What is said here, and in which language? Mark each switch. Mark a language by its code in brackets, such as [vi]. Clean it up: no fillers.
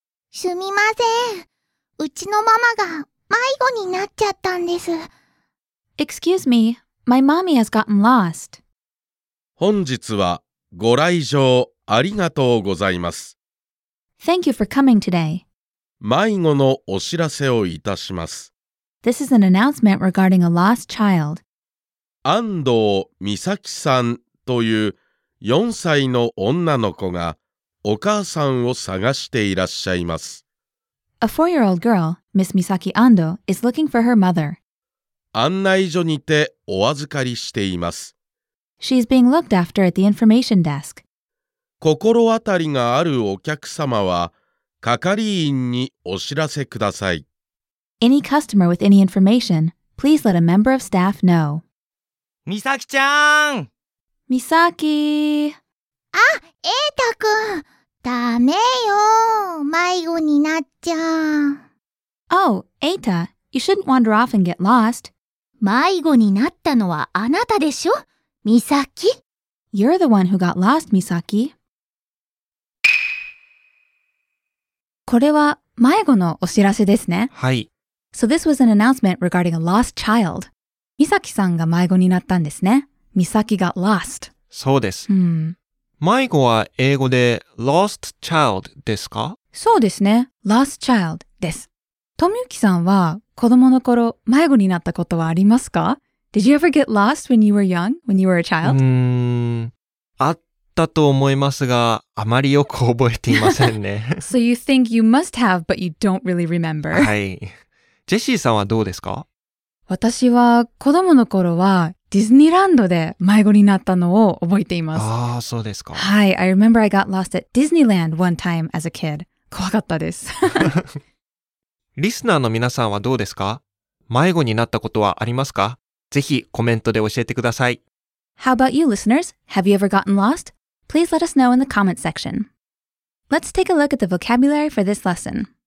[ja] すみません、うちのママが迷子になっちゃったんです。 [en] Excuse me, my mommy has gotten lost. [ja] 本日はご来場ありがとうございます。 [en] Thank you for coming today. [ja] 迷子のお知らせをいたします。 [en] This is an announcement regarding a lost child. [ja] 安藤美咲さんという4歳の女の子がお母さんを探していらっしゃいます。 [en] A four-year-old girl, Miss Misaki Ando, is looking for her mother. [ja] 案内所にてお預かりしています。 [en] She's being looked after at the information desk. [ja] 心当たりがあるお客様は係員にお知らせください。 [en] Any customer with any information, please let a member of staff know. [ja] みさきちゃん。みさき。あ、瑛太くん。ダメよ、迷子になっちゃう。 [en] Oh, 瑛太、you shouldn't wander off and get lost. [ja] 迷子になったのはあなたでしょ、みさき。 [en] You're the one who got lost, みさき。 [ja] これは迷子のお知らせですね。はい。 [en] So this was an announcement regarding a lost child. [ja] みさきさんが迷子になったんですね。みさき [en] got lost. [ja] そうです。うん。迷子は英語で [en] lost child [ja] ですか？そうですね。 [en] lost child [ja] です。トミユキさんは子供の頃迷子になったことはありますか？ [en] Did you ever get lost when you were young, when you were a child? [ja] あったと思いますが、あまりよく覚えていませんね。 [en] So you think you must have, but you don't really remember. [ja] はい。ジェシーさんはどうですか？私は子供の頃はディズニーランドで迷子になったのを覚えています。ああ、そうですか。はい。 [en] I remember I got lost at Disneyland one time as a kid. [ja] 怖かったです。リスナーの皆さんはどうですか？迷子になったことはありますか？ぜひコメントで教えてください。 [en] How about you, listeners? Have you ever gotten lost? Please let us know in the comment section. Let's take a look at the vocabulary for this lesson.